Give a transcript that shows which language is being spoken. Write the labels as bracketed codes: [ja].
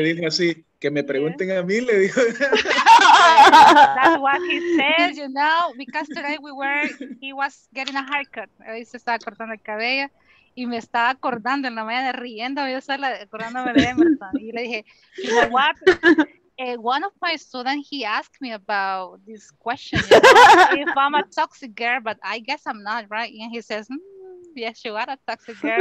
[es] Le dijo así, que me pregunten a mí, le dijo. [en] That's what he said, you know, because today he was getting a haircut. [es] Hoy se estaba cortando el cabello. Y me estaba acordando en la mañana riendo, yo estaba acordándome de Emerson. Y le dije, [en] you know what? One of my students, he asked me about this question, you know, if I'm a toxic girl, but I guess I'm not, right? And he says, yes, you are a toxic girl.